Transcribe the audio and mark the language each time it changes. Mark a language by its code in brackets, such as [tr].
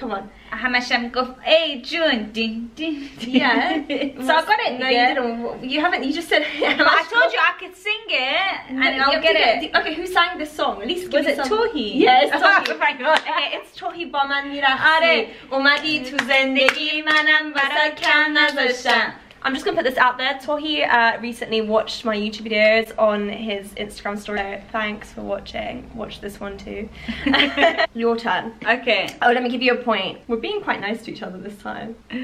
[en] Come on. [fa] همشم گفت ای جون دین دین. [en] Yeah. So I got it. No, you didn't. You haven't. You just said. But I told you I could sing it and I'll get it. Okay, who sang this song? At least was it Tohi? Yes, Tohi. Oh my god. Okay, it's Tohi با من میرخسی. [fa] آره. اومدی تو زندگی منم برات کم نذاشتم. [en] I'm just gonna put this out there. Tohi recently watched my YouTube videos on his Instagram story. So thanks for watching. Watch this one too. Your turn. Okay. Oh, let me give you a point. We're being quite nice to each other this time.